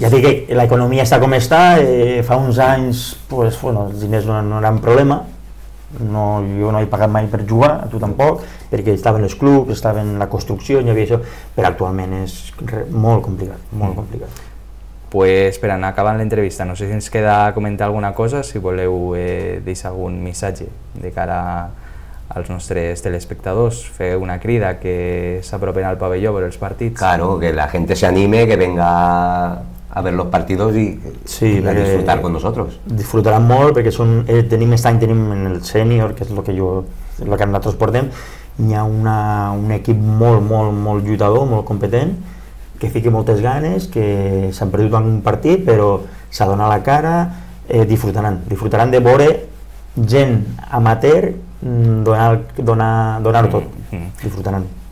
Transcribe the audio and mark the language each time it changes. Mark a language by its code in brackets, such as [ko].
[ca] Ja dic que l'economia està com està, fa uns anys, pues, bueno, els diners no eren problema, no, jo no he pagat mai per jugar, tu tampoc, perquè estaven els clubs, estaven la construcció, hi havia això, però actualment és molt complicat, molt complicat. Pues, per anar acabant l'entrevista, no sé si ens queda comentar alguna cosa, si voleu deixar algun missatge de cara als nostres telespectadors, fer una crida que s'apropen al pabelló per els partits. [es] Claro, que la gente se anime, que venga a ver los partidos y a disfrutar con nosotros. [ca] Disfrutarán molt, perquè tenim en el sènior, que és el que nosaltres portem, hi ha un equip molt, molt, molt lluitador, molt competent, que fica moltes ganes, que s'han perdut en un partit, però s'ha donat la cara, disfrutaran de veure gent amateur donar-ho tot, disfrutaran.